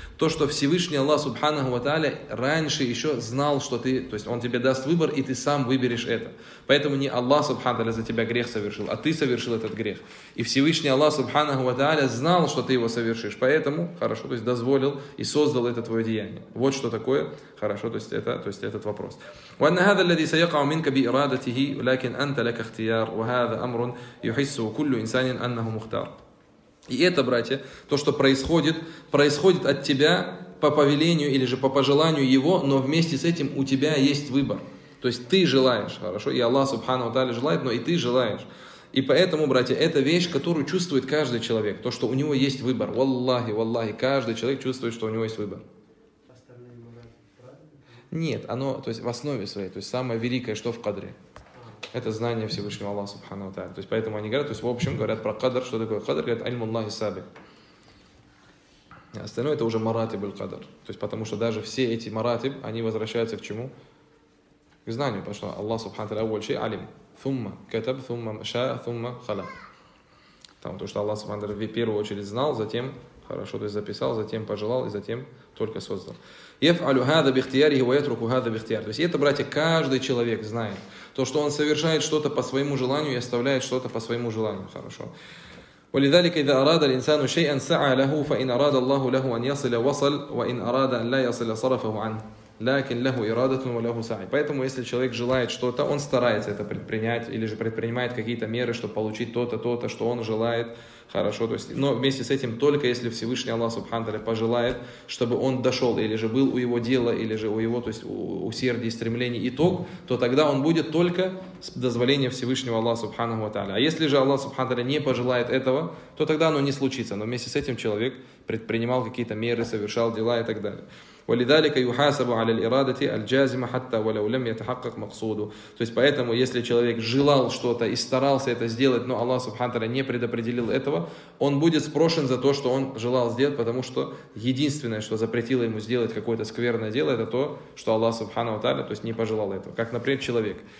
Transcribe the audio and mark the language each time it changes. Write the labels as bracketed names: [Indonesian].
[Russian] То, что Всевышний Аллах, Субхану Тааля, раньше еще знал, что ты… То есть он тебе даст выбор, и ты сам выберешь это. Поэтому не Аллах, Субхану Тааля, за тебя грех совершил, а ты совершил этот грех. И Всевышний Аллах, Субхану Тааля, знал, что ты его совершишь. Поэтому, хорошо, то есть дозволил и создал это твое деяние. Вот что такое. Хорошо, то есть этот вопрос. [Arabic] وأن هذا الذي سيقع منك بإرادته ولكن أنت لك اختيار وهذا أمر يحسه كل إنسان أنه مختار. [Russian] И это, братья, то, что происходит от тебя по повелению или же по пожеланию его, но вместе с этим у тебя есть выбор. То есть ты желаешь, хорошо, и Аллах Субхану Тааля желает, но и ты желаешь. И поэтому, братья, это вещь, которую чувствует каждый человек, то, что у него есть выбор. Валлахи, валлахи, каждый человек чувствует, что у него есть выбор. Нет, оно, то есть в основе своей, то есть самое великое, что в кадре, это знание Всевышнего Аллаха Субхану Тааля. То есть поэтому они говорят, то есть в общем говорят про кадр, что такое кадр, говорят [Arabic] «Альму Аллахи Сабик». [Russian] А остальное это уже маратиб аль-кадр. То есть потому что даже все эти маратиб, они возвращаются к чему? К знанию, потому что Аллах Субхану Тааля [Arabic] «Ауаль шей алим», [Russian] «Фумма катаб», «Фумма ша», «Фумма хала». Там то, что Аллах Субхану Тааля в первую очередь знал, затем хорошо, то есть записал, затем пожелал и затем только создал. [Arabic] يفعل هذا باختياره ويترك هذا باختياره. [Russian] То есть это, братья, каждый человек знает. То, что он совершает что-то по своему желанию и оставляет что-то по своему желанию. Хорошо. [Arabic] ولذلك إذا أراد الإنسان شيئا سعى له فإن أراد الله له أن يصل وصل وإن أراد أن لا يصل صرفه عنه. لكن له إرادة وله سعي. [Russian] Поэтому, если человек желает что-то, он старается это предпринять или же предпринимает какие-то меры, чтобы получить то-то, что он желает. Хорошо, то есть, но вместе с этим, только если Всевышний Аллах Субхану Тааля пожелает, чтобы он дошел, или же был у его дела, или же у его, то есть, усердия и стремлений итог, то тогда он будет только с дозволения Всевышнего Аллаха Субхану Тааля. А если же Аллах Субхану Тааля не пожелает этого, то тогда оно не случится. Но вместе с этим человек предпринимал какие-то меры, совершал дела и так далее. [Arabic] ولذلك يحاسب على الإرادة الجازمة حتى ولو لم يتحقق مقصوده. [Russian] То есть поэтому, если человек желал что-то и старался это сделать, но Аллах Субхану Тааля не предопределил этого, он будет спрошен за то, что он желал сделать, потому что единственное, что запретило ему сделать какое-то скверное дело, это то, что Аллах Субхану Тааля, то есть не пожелал этого. Как, например, человек.